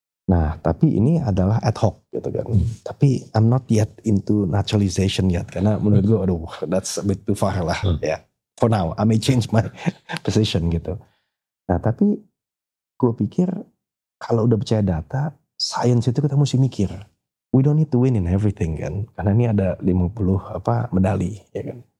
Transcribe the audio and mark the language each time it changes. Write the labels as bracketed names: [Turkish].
[Indonesian] Nah, tapi ini adalah ad hoc, gitu kan. Mm. Tapi [English] I'm not yet into naturalization yet, [Indonesian] karena menurut gue, aduh, [English] that's a bit too far lah, ya. Yeah. For now, I may change my position, [Indonesian] gitu. Nah, tapi gue pikir kalau udah percaya data, science itu kita mesti mikir. [English] We don't need to win in everything, [Indonesian] kan? Karena ini ada 50 apa medali, ya kan?